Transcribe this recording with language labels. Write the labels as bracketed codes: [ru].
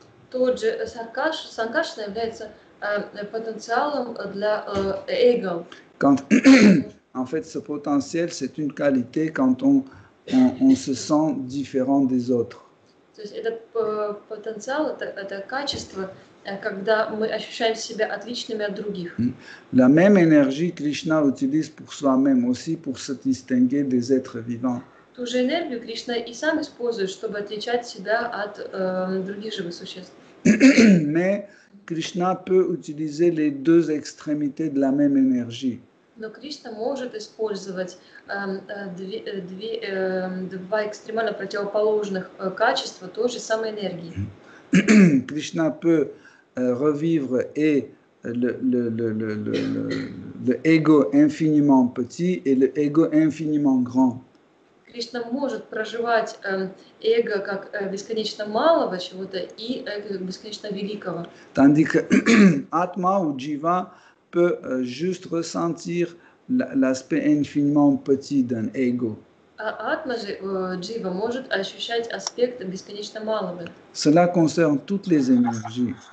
[ru] Тот же Sankarsana является потенциалом для эго. [fr] En fait, ce potentiel, c'est une qualité quand on se sent différent des autres. [ru] Этот потенциал, это качество, когда мы ощущаем себя отличными от других. [fr] La même énergie Krishna utilise pour soi-même aussi pour se distinguer des êtres vivants. [ru] Ту же энергию Кришна и сам использует, чтобы отличать себя от других живых существ. [fr] Mais Krishna peut utiliser les deux extrémités de la même énergie. [ru] Но Кришна может использовать два экстремально противоположных качества той же самой энергии. [fr] Кришна peut revivre et le ego infiniment petit et le ego infiniment grand. [ru] Кришна может проживать эго как бесконечно малого чего-то и бесконечно великого. [fr] Tandis que Atma ou Jiva peut juste ressentir l'aspect infiniment petit d'un ego. [ru] Atma же, Jiva, может ощущать аспект бесконечно малого. [fr] Cela concerne toutes les énergies.